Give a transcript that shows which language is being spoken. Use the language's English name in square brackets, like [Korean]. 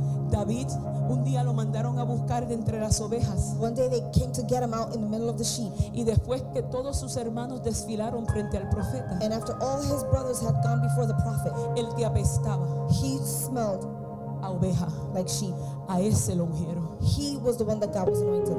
[Spanish] David, un día lo mandaron a buscar de entre las ovejas. [English] One day they came to get him out in the middle of the sheep. [Spanish] Y después que todos sus hermanos desfilaron frente al profeta. [English] And after all his brothers had gone before the prophet. [Spanish] El que apestaba. [English] He smelled [Spanish] a oveja. [English] Like sheep. [Spanish] A ese lo ungieron. [English] He was the one that God was anointed.